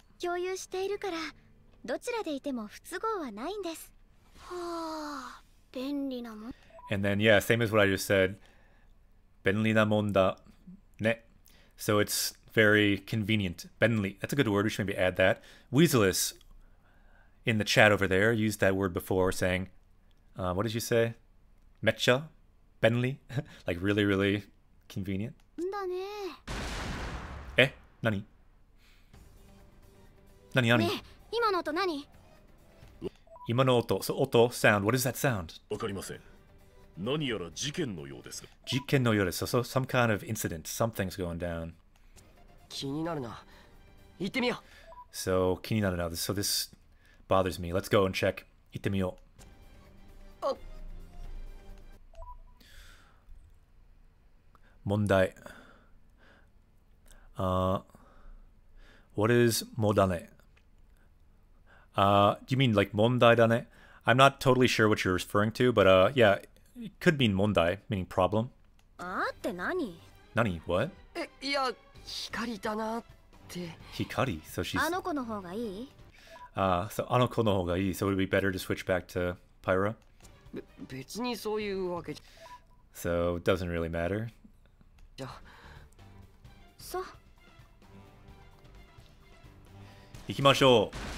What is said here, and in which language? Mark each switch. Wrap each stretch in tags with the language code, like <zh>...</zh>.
<ja>共有しているから、どちらでいても不都合はないんです。はあ、便利なもん。</ja> <en>And then, yeah, same as what I just said.</en> <ja>便利なもんだね。</ja> <en>So it's very convenient. 便利. That's a good word. We should maybe add that. Weaselist in the chat over there used that word before saying, what did you say?</en> <ja>めっちゃ便利.</ja> <en>Like really, really convenient.</en> <ja>だね。え?何? 何?何? ねえ、今の音何? 今の音、</ja> <en>so 音、sound, what is that sound?</en> <ja>わかりません。何やら事件のようです。事件のようです。</ja> <en>So some kind of incident, something's going down.</en> <ja>気になるな。行ってみよう。</ja> <en>So,</en> <ja>気になるな。</ja> <en>So this bothers me. Let's go and check.</en> <ja>行ってみよう。問題。</ja> <en>What is 問題だね? You mean like 問題だね? I'm not totally sure what you're referring to, but yeah, it could mean 問題, meaning problem.</en> <ja>って何? 何?What? いや、光だなって。</ja> <en>光?So she's...</en> <ja>あの子の方がいい? So あの子の方がいい。</ja> <en>So it would be better to switch back to Pyra?</en> <ja>別にそういうわけじゃ。</ja> <en>So it doesn't really matter.</en> <ja>さあ行きましょう。</ja>